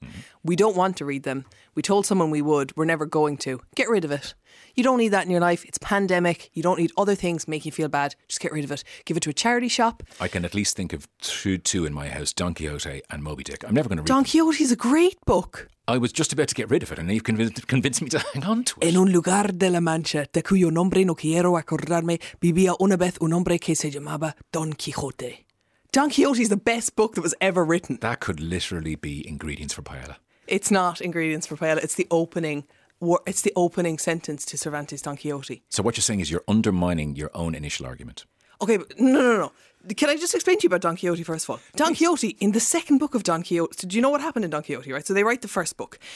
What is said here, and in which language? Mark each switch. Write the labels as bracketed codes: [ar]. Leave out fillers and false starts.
[en] Mm-hmm. We don't want to read them. We told someone we would. We're never going to. Get rid of it. You don't need that in your life. It's pandemic. You don't need other things make you feel bad. Just get rid of it. Give it to a charity shop. I can at least think of two in my house, Don Quixote and Moby Dick. I'm never going to read Don Quixote is a great book. I was just about to get rid of it and you've convinced me to hang on to it. [es] En un lugar de la mancha, de cuyo nombre no quiero acordarme, vivía una vez un hombre que se llamaba Don Quixote. [en] Don Quixote is the best book that was ever written. That could literally be ingredients for paella. It's not ingredients for paella. It's the opening sentence to Cervantes' Don Quixote. So what you're saying is you're undermining your own initial argument. Okay, but no. Can I just explain to you about Don Quixote first of all? Don Quixote, in the second book of Don Quixote, so do you know what happened in Don Quixote, right? So they write the first book.